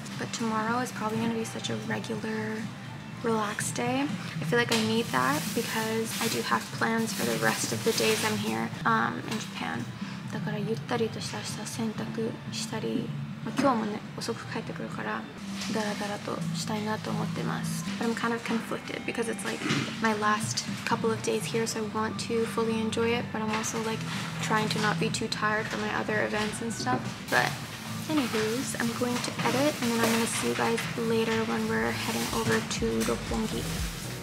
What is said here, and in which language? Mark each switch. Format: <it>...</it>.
<en>But tomorrow is probably going to be such a regular. Relaxed day. I feel like I need that because I do have plans for the rest of the days I'm here in Japan.</en> <ja>だからゆったりとした明日洗濯したり、まあ、今日もね遅く帰ってくるからダラダラとしたいなと思ってます。</ja> <en>But I'm kind of conflicted because it's like my last couple of days here, so I want to fully enjoy it, but I'm also like trying to not be too tired for my other events and stuff. But Anywho's, I'm going to edit and then I'm going to see you guys later when we're heading over to Roppongi.</en>